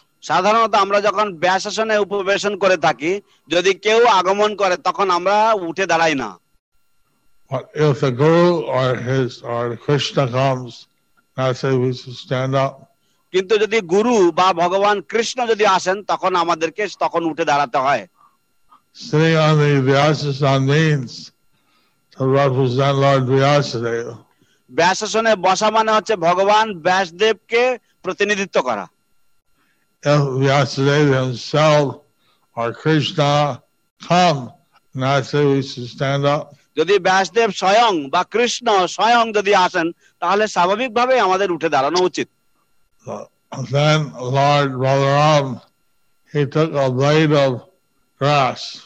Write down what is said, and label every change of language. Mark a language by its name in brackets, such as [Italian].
[Bangla] সাধারণত আমরা যখন ব্যাস আসনে উপবেশন করে থাকি, যদি কেউ আগমন করে তখন আমরা উঠে দাঁড়াই না। [English] But if the guru or his or Krishna comes, that's why we should stand up. [Bangla] কিন্তু যদি গুরু বা ভগবান কৃষ্ণ যদি আসেন তখন আমাদেরকে তখন উঠে দাঁড়াতে হয়। [English] Sitting on the Vyasasana means to represent Lord Vyasadeva. [Bangla] ব্যাসাসনে বসা মানে হচ্ছে ভগবান ব্যাসদেবকে প্রতিনিধিত্ব করা। [English] If Vyasadeva himself or Krishna come, that's why we should stand up. [Bangla] যদি ব্যাসদেব স্বয়ং বা কৃষ্ণ স্বয়ং যদি আসেন তাহলে স্বাভাবিক ভাবে আমাদের উঠে দাঁড়ানো উচিত। [English] Then Lord Balaram, he took a blade of grass.